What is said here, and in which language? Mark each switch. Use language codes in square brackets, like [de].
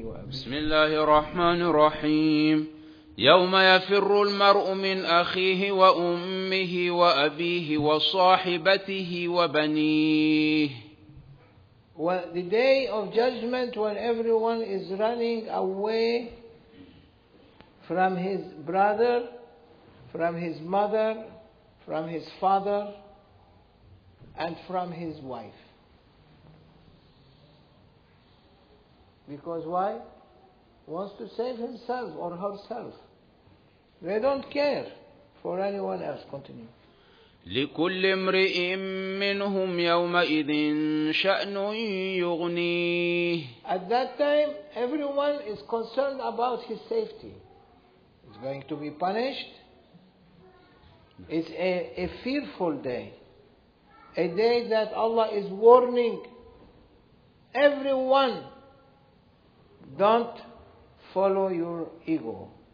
[ar] بسم الله الرحمن الرحيم يوم يفر المرء من أخيه وأمه وأبيه وصاحبته وبنيه. [en] Well, the day of judgment when everyone is running away from his brother, from his mother, from his father, and from his wife. Because why? Wants to save himself or herself. They don't care for anyone else. Continue. [ar] لكل امرئ منهم يومئذ شأن يغنيه. [en] At that time, everyone is concerned about his safety. He's going to be punished. It's a fearful day. A day that Allah is warning everyone, don't follow your ego.